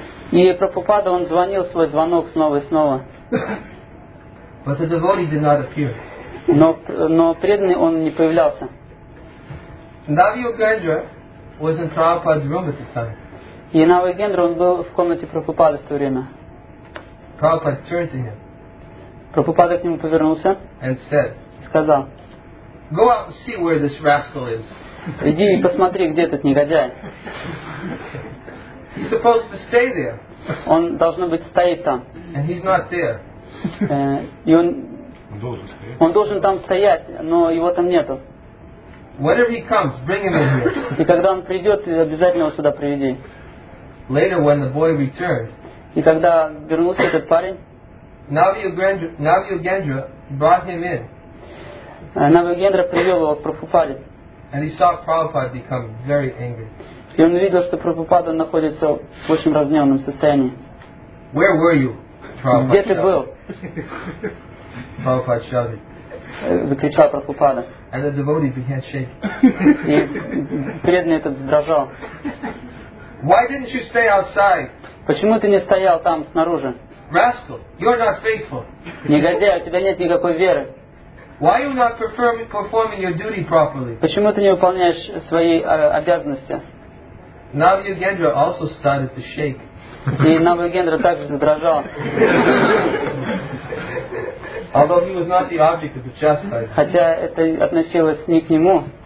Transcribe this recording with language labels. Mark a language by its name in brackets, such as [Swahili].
[Russian] И Прабхупада, он звонил свой звонок снова и снова. [English] But the devotee did not appear. [Russian] Но преданный, он не появлялся. [English] Navi Yugendra was in Prabhupada's room at the time. [Russian] И Нава Йогендра, он был в комнате Прабхупады в то время. [English] Prabhupada turned to him. [Russian] Прабхупада к нему повернулся. [English] And said. [Russian] Сказал. [English] Go out and see where this rascal is. [Russian] Иди и посмотри, где этот негодяй. [English] He's supposed to stay there. [Russian] Он должно быть стоит там. [English] And he's not there. [Russian] И он должен там стоять, но его там нету. [English] Whenever he comes, bring him in here. [Russian] И когда он придет, обязательно его сюда приведи. [English] Later, when the boy returned, [Russian] и когда вернулся этот парень, [English] Navi Yugendra brought him in. [Russian] Navi Yugendra привел его к Прабхупаде. [English] And he saw Prabhupada become very angry. [Russian] И он видел, что Прабхупада находится в очень разъяренном состоянии. [English] Where were you, Prabhupada? [Russian] Где ты был? [English] Prabhupada shouted. [Russian] Закричал Прабхупада. [English] And the devotee began shaking. [Russian] И преданный этот задрожал. [English] Why didn't you stay outside? [Russian] Почему ты не стоял там снаружи? [English] Rascal, you're not faithful. [Russian] Негодяй, у тебя нет никакой веры. [English] Why are you not performing your duty properly? [Russian] Почему ты не выполняешь свои обязанности? [English] Navi Yugendra also started to shake. [Russian] И Navi Yugendra также задрожал. [English] Although he was not the object of the chastisement. [Russian] Хотя это относилось не к нему.